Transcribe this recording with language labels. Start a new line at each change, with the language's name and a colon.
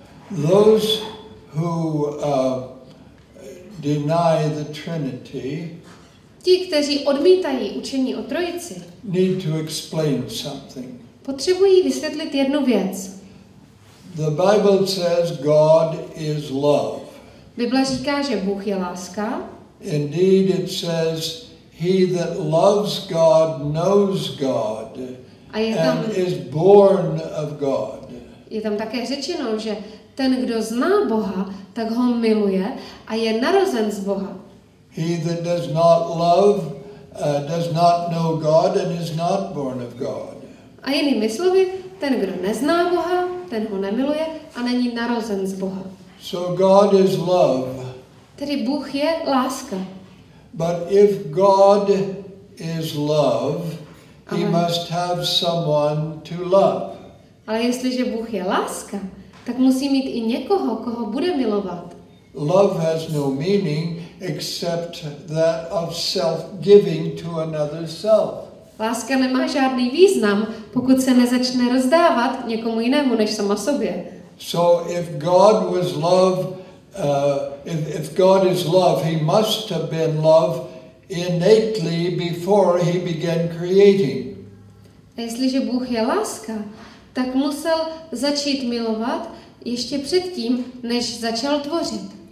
English: Those who deny the Trinity,
Czech: ti, kteří odmítají učení o Trojici,
English: need to explain something.
Czech: Potřebují vysvětlit jednu věc.
English: The Bible says God is love.
Czech: Bible říká, že Bůh je láska.
English: Indeed, it says he that loves God knows God and is born of God.
Czech: Je tam také řečeno, že ten, kdo zná Boha, tak ho miluje a je narozen z Boha.
English: He that does not love does not know God and is not born of God.
Czech: A jinými slovy, ten, kdo nezná Boha, ten ho nemiluje a není narozen z Boha.
English: So God is love.
Czech: Tedy Bůh je láska.
English: But if God is love, Amen. He must have someone to love.
Czech: Ale jestliže Bůh je láska, tak musí mít i někoho, koho bude milovat.
English: Love has no meaning except that of self-giving to another self.
Czech: Láska nemá žádný význam, pokud se nezačne rozdávat někomu jinému než sama sobě.
English: So if God was love, if God is love, he must have been love innately before he began creating.
Czech: Jestliže Bůh je láska, tak musel začít milovat ještě předtím, než začal tvořit.